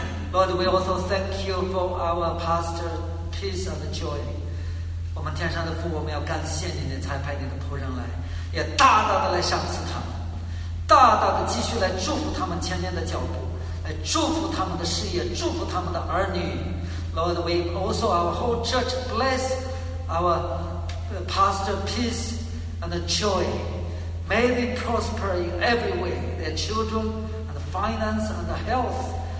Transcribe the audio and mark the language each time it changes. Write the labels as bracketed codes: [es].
[en] Lord, we also thank you for our pastor, peace and joy. [zh] 我们天上的父，我们要感谢你，才派你的仆人来，也大大的来赏赐他们，大大的继续来祝福他们前面的脚步，来祝福他们的事业，祝福他们的儿女。 [en] Lord, we also our whole church bless our pastor, peace and joy. May they prosper in every way, their children and finance and health.